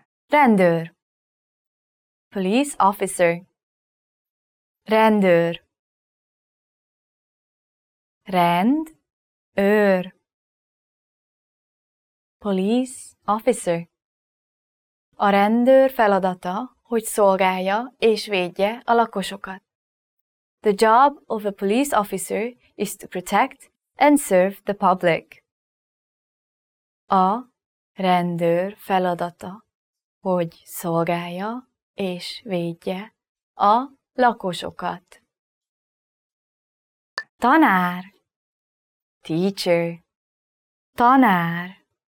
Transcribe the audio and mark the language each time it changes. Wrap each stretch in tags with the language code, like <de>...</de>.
<hu>Rendőr.</hu> <en>Police officer.</en> <hu>Rendőr. Rendőr.</hu> <en>Police officer.</en> <hu>A rendőr feladata, hogy szolgálja és védje a lakosokat.</hu> <en>The job of a police officer is to protect and serve the public.</en> <hu>A rendőr feladata, hogy szolgálja és védje a lakosokat. Tanár.</hu> <en>Teacher.</en> <hu>Tanár.</hu>